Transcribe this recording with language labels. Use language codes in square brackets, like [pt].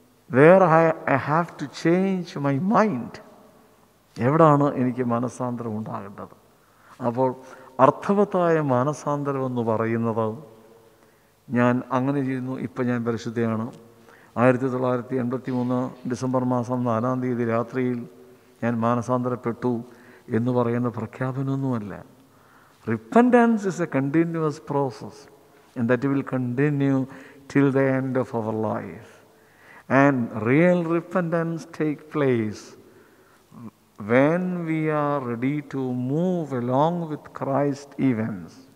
[en] Where I have to change my mind. [ml] എവിടാണ് എനിക്ക് മനസാന്തരം ഉണ്ടാകേണ്ടത്? അപ്പോൾ അർത്ഥവത്തായ മനസാന്തരം എന്ന് പറയുന്നത് ഞാൻ അങ്ങനെ ചെയ്യുന്നു. ഇപ്പം ഞാൻ പരിശുദ്ധയാണ്. 1983 ഡിസംബർ മാസം 4-ാം തീയതി രാത്രിയിൽ ഞാൻ മാനസാന്തരപ്പെട്ടു എന്ന് പറയുന്ന പ്രഖ്യാപനമൊന്നുമല്ല. [en] Repentance is a continuous process and that will continue till the end of our life. And real repentance takes place when we are ready to move along with Christ's events.